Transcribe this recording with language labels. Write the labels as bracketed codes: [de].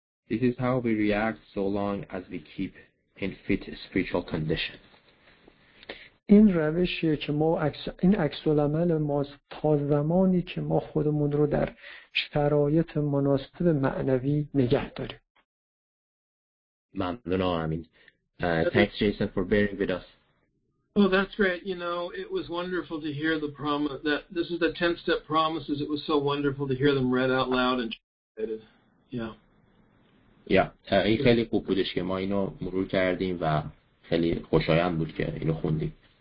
[en] This is how we react so long as we keep in fit spiritual condition. [fa] این روشیه که ما این عکس العمل ماست تا زمانی که ما خودمون رو در شرایط مناسب معنوی نگه داریم. ممنونم امین. [en] Thanks Jason for bearing with us. Oh, that's great. You know, it was wonderful to hear the promise that this is the 10 step promises. It was so wonderful to hear them read out loud and translated. Yeah. [fa] این خیلی خوب بودش که ما اینو مرور کردیم و خیلی خوشایند بود که اینو خوندیم.